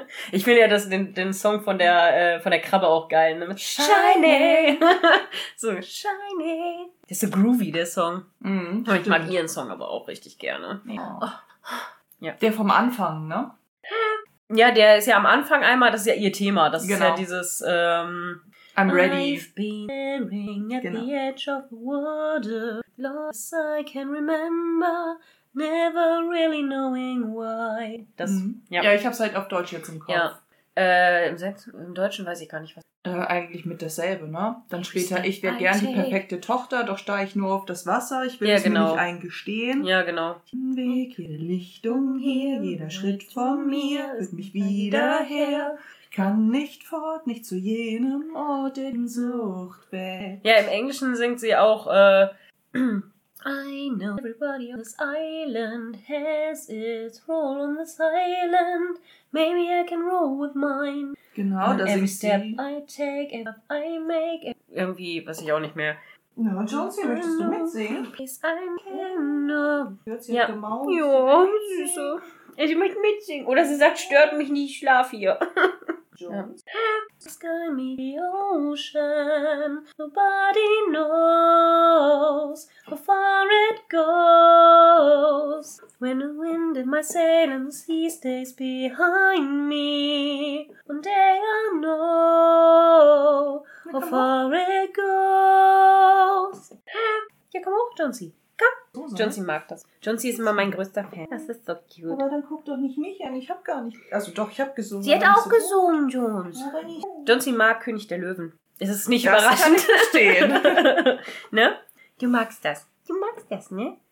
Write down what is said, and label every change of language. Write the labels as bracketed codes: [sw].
[de] Ich finde ja den Song von der Krabbe auch geil. Ne? [en] Shiny. So, shiny. [de] Das ist so groovy, der Song. Mhm, ich mag ihren Song aber auch richtig gerne. Ja. Der vom Anfang, ne? Ja, der ist ja am Anfang einmal, das ist ja ihr Thema. Das ist ja dieses... [en] I'm ready. I've been staring at the edge of the water. Lost I can remember, never really knowing why. [de] Das, Ja, ich hab's halt auf Deutsch jetzt im Kopf. Ja. Im Deutschen weiß ich gar nicht, was. Eigentlich mit dasselbe, ne? Dann steht da, ich wäre gern die perfekte Tochter, doch starre ich nur auf das Wasser, ich will es mir nicht eingestehen. Ja, genau. Jeden Weg, jede Lichtung hier, jeder Schritt von mir, führt mich wieder her. Ich kann nicht fort, nicht zu jenem Ort in Sucht weg. Ja, im Englischen singt sie auch, [en] I know everybody on this island [de] has its role on this island. [en] Maybe I can roll with mine. [de] Genau, da singt sie. [en] Every step I take, every step I make. [de] Irgendwie, weiß ich auch nicht mehr. Na, Jonesy, möchtest du mitsingen? [en] Please, I'm gonna... [de] Hört sie auf der Maus. Ja, süße. Ich möchte mitsingen. Oder sie sagt, stört mich nicht, ich schlaf hier. Jones. [en] Sky meet the ocean, nobody knows how far it goes. When the wind in my sail and the sea stays behind me, one day I'll know how far it goes. [de] Ja, komm hoch, Johnsy. Komm. So Johnsy mag das. Johnsy ist immer mein größter Fan. Das ist so cute. Aber dann guck doch nicht mich an. Ich hab gar nicht... Also doch, ich hab gesungen. Sie hat auch gesungen, Jones. Johnsy mag König der Löwen. Es ist nicht das überraschend. Das kann ich verstehen. Ne? Du magst das. Du magst das, ne?